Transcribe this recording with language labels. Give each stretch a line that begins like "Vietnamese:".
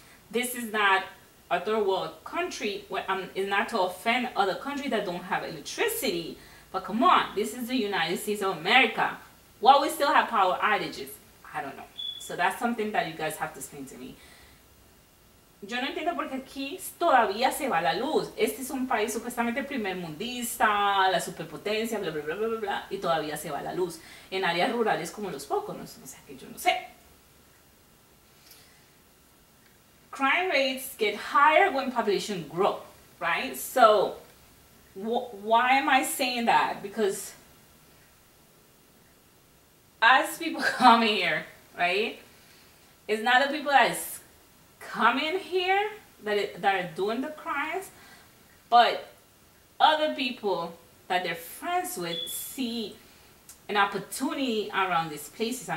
English: This is not a third world country. It's not to offend other countries that don't have electricity. But come on, this is the United States of America. Why we still have power outages? I don't know. So that's something that you guys have to explain to me.
Spanish: Yo no entiendo por qué aquí todavía se va la luz. Este es un país supuestamente primer mundista, la superpotencia, bla, bla, bla, bla, bla, bla, y todavía se va la luz en áreas rurales como Los Poconos. O sea que yo no sé.
English: Crime rates get higher when population grow, right? So why am I saying that? Because as people come here, right, it's not the people that is coming here that are doing the crimes, but other people that they're friends with see an opportunity around these places.